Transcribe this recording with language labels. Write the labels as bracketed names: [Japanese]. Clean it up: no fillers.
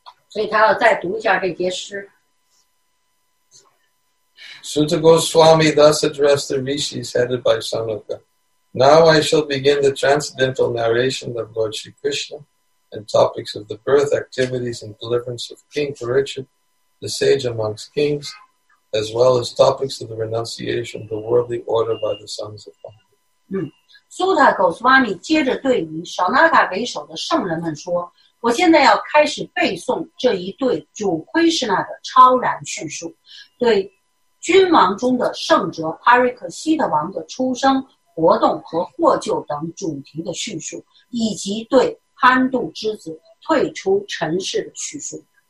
[Chinese] 所以他要再读一下这节诗 [English] Sutta Goswami thus addressed the rishis headed by Sanuka Now I shall begin the transcendental narration of Lord Shri Krishna and topics of the birth, activities, and deliverance of King Parikshit, the sage amongst kings, as well as topics of the renunciation of the worldly order by the sons of Pandu. [Chinese] Sutta Goswami 接着对于Sanaka为首的圣人们说,我现在要开始背诵这一对主Krishna的超然叙述,对君王中的圣者 Parikshit王的出生, 活动和获救等主题的叙述，以及对潘度之子退出尘世的叙述。